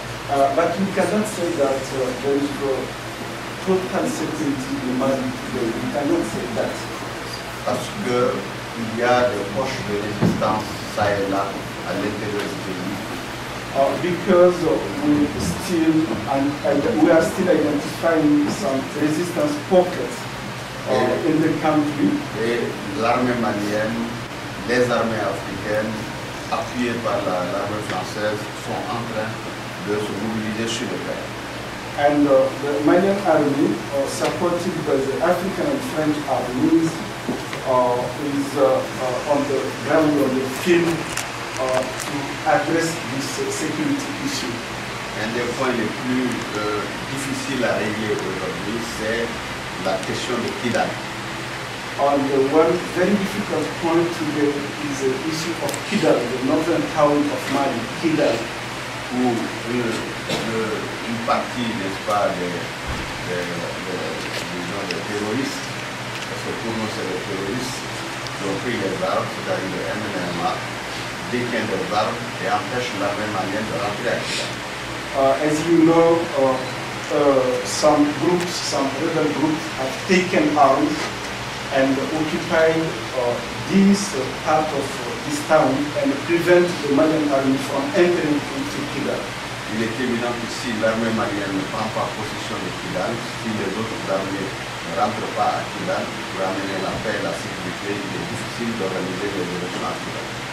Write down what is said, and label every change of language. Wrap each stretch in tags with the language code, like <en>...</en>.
<en>But we cannot say that there is a total security in Mali today. We cannot say that.</en> <fr>Parce qu'il y a des poches de résistance, ça et là, à l'intérieur du pays.</fr> <en>Because we are still identifying some resistance pockets in the country.</en> <fr>Et l'armée malienne, les armées africaines, appuyées par l'armée française, sont en train de se mobiliser sur le terrain.</fr> <en>And the Malian army, supported by the African and French armies, is on the ground, on the field, to address this security issue.</en> <fr>Un des points les plus difficiles à régler aujourd'hui, c'est la question de Kidal.</fr> <en>And the one very difficult point today is the issue of Kidal, the northern town of Mali, Kidal.</en> <fr>Où une partie, n'est-ce pas, des terroristes, parce que pour nous c'est des terroristes, qui ont pris les armes, c'est-à-dire le MNMA, détient des armes et empêche l'armée malienne de rentrer.</fr> <en>As you know, some rebel groups have taken arms and occupied this part of this town and prevent the Malian army from entering into Kidal.</en> <fr>Il est évident que si l'armée malienne ne prend pas possession de Kidal, si les autres armées ne rentrent pas à Kidal pour amener la paix et la sécurité, il est difficile d'organiser les élections à Kidal.</fr>